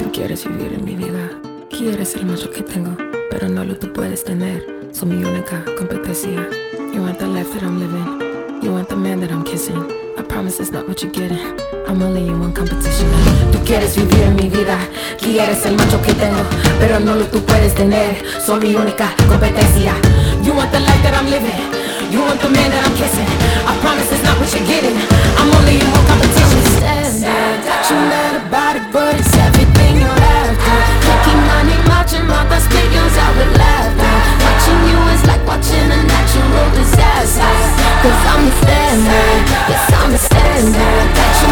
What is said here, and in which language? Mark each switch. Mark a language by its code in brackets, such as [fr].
[es] Eres el macho que tengo, pero no lo tú puedes tener. Soy mi única competencia. [en] You want the life that I'm living. You want the man that I'm kissing. I promise it's not what you're getting. I'm only in one competition. [es] Tú quieres vivir en mi vida. Quieres el macho que tengo, pero no lo tú puedes tener. Soy mi única competencia. [en] You want the life that I'm living. You want the man that I'm kissing. I promise it's not what you're getting. I'm only in one competition. Standard. You mad about it, but it's everything you're after. Watching my thoughts, spit yours out with laughter. Watching you is like watching a natural disaster. Cause I'm the standard, yes I'm the standard.